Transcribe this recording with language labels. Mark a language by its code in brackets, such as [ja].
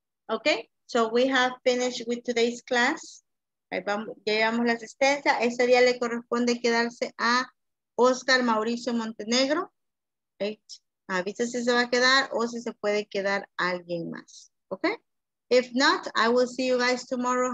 [en] Okay, so we have finished with today's class. [es] Ya llevamos la asistencia. Ese día le corresponde quedarse a Oscar Mauricio Montenegro. Right? Avisa si se va a quedar o si se puede quedar alguien más. [en] Okay? If not, I will see you guys tomorrow.